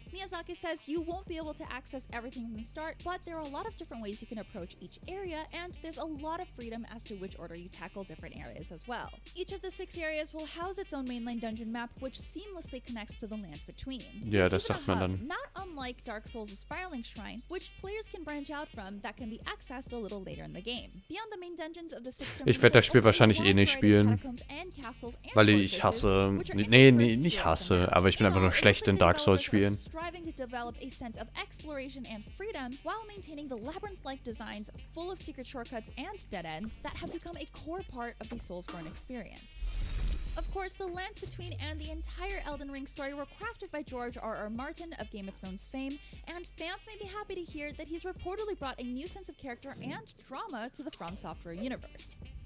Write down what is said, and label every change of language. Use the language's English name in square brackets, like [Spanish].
[English] Miyazaki says you won't be able to access everything from the start, but there are a lot of different ways you can approach each area, and there's a lot of freedom as to which order you tackle different areas as well. Each of the six areas will house its own mainline dungeon map, which seamlessly connects to the lands between. Yeah, that's [German] sagt man dann. [English] Not unlike Dark Souls' Firelink Shrine, which players can branch out from, that can be accessed a little later in the game. Beyond the main dungeons of the six domains, [German] ich werde das Spiel wahrscheinlich eh nicht spielen, weil ich hasse, nee, nicht hasse, aber ich bin einfach nur schlecht in Dark Souls spielen. [English] Striving to develop a sense of exploration and freedom while maintaining the labyrinth-like designs full of secret shortcuts and dead ends that have become a core part of the Soulsborne experience. Of course, the lands between and the entire Elden Ring story were crafted by George R.R. Martin of Game of Thrones fame, and fans may be happy to hear that he's reportedly brought a new sense of character and drama to the From Software universe.